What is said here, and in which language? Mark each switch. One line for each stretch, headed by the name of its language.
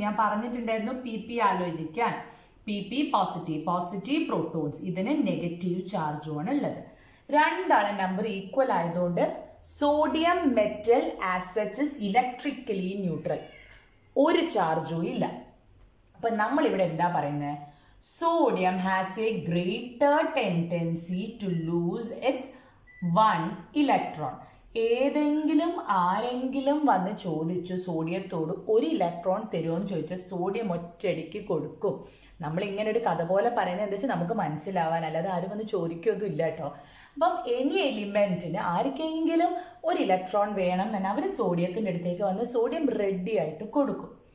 Malayalam: ഞാൻ പറഞ്ഞിട്ടുണ്ടായിരുന്നു PP ആലോചിക്കാൻ. PP positive, positive protons. ഇതിന് നെഗറ്റീവ് ചാർജുമാണ് ഉള്ളത്. രണ്ടാളെ നമ്പർ ഈക്വൽ ആയതുകൊണ്ട് sodium metal
English: As it is electrically neutral.
Malayalam: ഒരു ചാർജും ഇല്ല. അപ്പം നമ്മളിവിടെ എന്താ പറയുന്നത്?
English: Sodium has a greater tendency to lose its 1 electron.
Malayalam: ഏതെങ്കിലും ആരെങ്കിലും വന്ന് ചോദിച്ചു സോഡിയത്തോട് ഒരു ഇലക്ട്രോൺ തരുമോ എന്ന് ചോദിച്ചാൽ സോഡിയം ഒറ്റയടിക്ക് കൊടുക്കും. നമ്മളിങ്ങനെ ഒരു കഥ പോലെ പറയുന്നത് എന്താ വെച്ചാൽ നമുക്ക് മനസ്സിലാവാൻ, അല്ലാതെ ആരും വന്ന് ചോദിക്കുകയൊന്നും ഇല്ല കേട്ടോ. അപ്പം എനി എലിമെൻറ്റിന് ആർക്കെങ്കിലും ഒരു ഇലക്ട്രോൺ വേണം എന്ന് അവർ സോഡിയത്തിൻ്റെ അടുത്തേക്ക് വന്ന് സോഡിയം റെഡി ആയിട്ട് കൊടുക്കും.